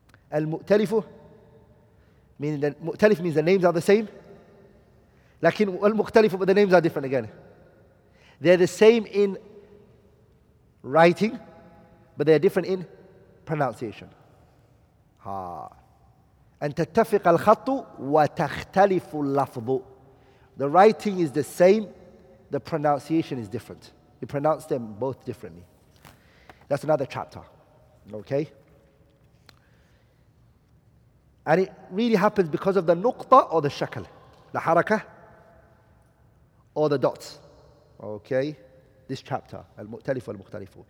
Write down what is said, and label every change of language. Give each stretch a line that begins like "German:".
English: Al-mu'talifu, meaning that mu'talif means the names are the same.
Arabic: Lakin wal-mukhtalifu,
English: but the names are different again. They're the same in writing, but they're different in pronunciation.
Arabic: أن تتفق الخط وتختلف اللفظ.
English: The writing is the same, the pronunciation is different. You pronounce them both differently. That's another chapter. Okay? And it really happens because of the نقطة or the شكل. The حركة or the dots. Okay? This chapter. المؤتلف والمختلف.